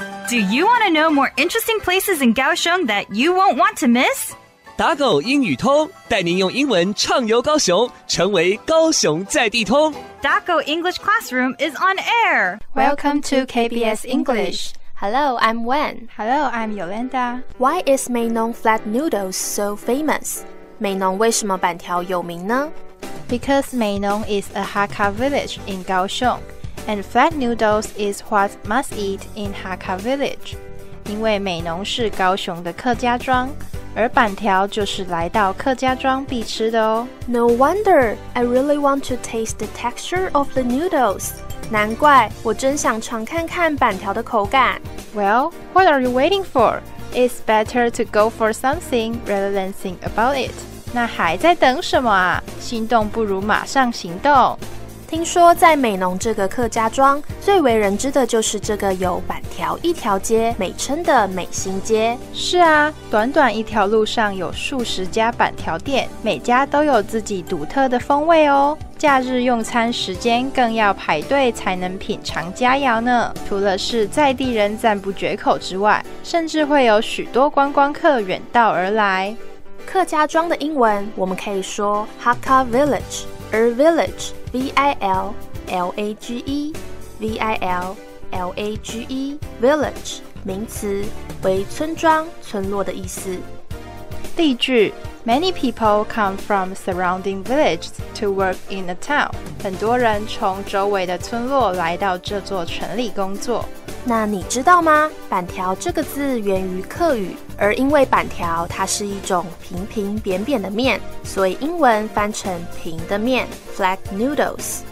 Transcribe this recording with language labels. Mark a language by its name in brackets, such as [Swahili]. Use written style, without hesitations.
[English] Do you want to know more interesting places in Kaohsiung that you won't want to miss? [Chinese] 打狗英语通，带您用英文畅游高雄，成为高雄在地通。 [English] 打狗 English Classroom is on air. Welcome to KBS English. Hello, I'm Wen. Hello, I'm Yolanda. Why is Meinung flat noodles so famous? [Chinese] 美濃為什麼板條有名呢? [English] Because Meinung is a Hakka village in Kaohsiung, and flat noodles is what must eat in Hakka village. [Chinese] 因為美濃是高雄的客家莊,而板條就是來到客家莊必吃的喔。 [English] No wonder, I really want to taste the texture of the noodles. [Chinese] 難怪,我真想嚐看看板條的口感。 [English] Well, what are you waiting for? It's better to go for something rather than think about it. [Chinese] 那還在等什麼啊?心動不如馬上行動。聽說在美濃這個客家莊,最為人知的就是這個有板條一條街美稱的美心街。是啊,短短一條路上有數十家板條店,每家都有自己獨特的風味哦。假日用餐時間更要排隊才能品嚐佳肴呢。除了是在地人讚不絕口之外,甚至會有許多觀光客遠道而來。客家庄的英文我们可以说 Hakka Village, 而 Village, V-I-L-L-A-G-E, V-I-L-L-A-G-E, Village, 名词为村庄、村落的意思。例句 [English] Many people come from surrounding villages to work in the town. [Chinese] 很多人从周围的村落来到这座城里工作。那你知道吗？板条这个字源于客语，而因为板条它是一种平平扁扁的面，所以英文翻成平的面 flat noodles。